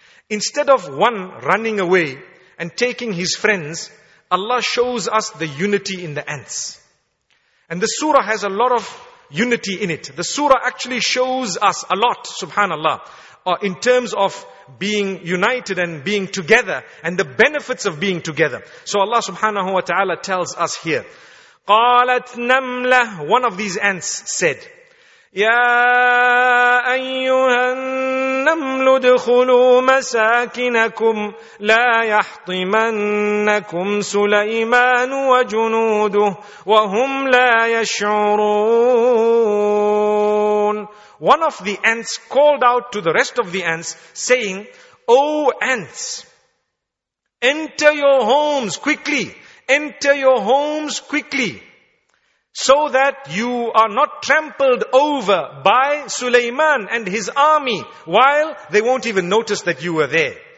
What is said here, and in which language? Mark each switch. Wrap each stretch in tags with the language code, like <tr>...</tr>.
<en>Instead of one running away and taking his friends, Allah shows us the unity in the ants. And the surah has a lot of unity in it. The surah actually shows us a lot, subhanallah, in terms of being united and being together and the benefits of being together. So Allah subhanahu wa ta'ala tells us here,</en> <ar>قالت نملة,</ar> <en>one of these ants said,</en> <ar>يا أيها النمل ادخلوا مساكنكم لا يحطمنكم سليمان وجنوده وهم لا يشعرون.</ar> <en>One of the ants called out to the rest of the ants saying, O ants, enter your homes quickly. Enter your homes quickly. so that you are not trampled over by Sulaiman and his army, while they won't even notice that you were there.</en>